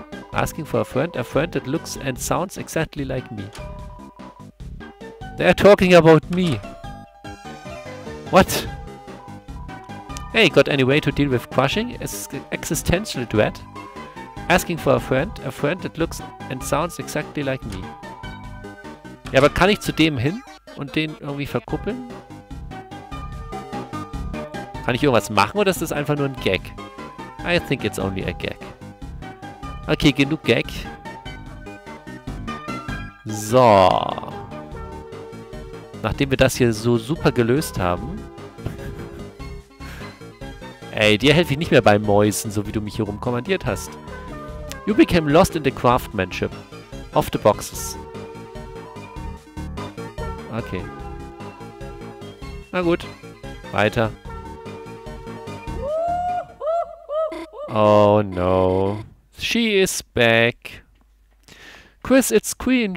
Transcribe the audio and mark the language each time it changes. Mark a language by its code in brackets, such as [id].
[en] Asking for a friend that looks and sounds exactly like me. They're talking about me. What? Hey, got any way to deal with crushing? Existential dread? Asking for a friend that looks and sounds exactly like me. [de] Ja, aber kann ich zu dem hin und den irgendwie verkuppeln? Kann ich irgendwas machen oder ist das einfach nur ein Gag? [en] I think it's only a gag. [de] Okay, genug Gag. So. Nachdem wir das hier so super gelöst haben. Ey, dir helfe ich nicht mehr bei Mäusen, so wie du mich hier rumkommandiert hast. [en] You became lost in the craftsmanship of the boxes. [de] Okay. Na gut. Weiter. [en] Oh no. She is back. Chris, it's Queen.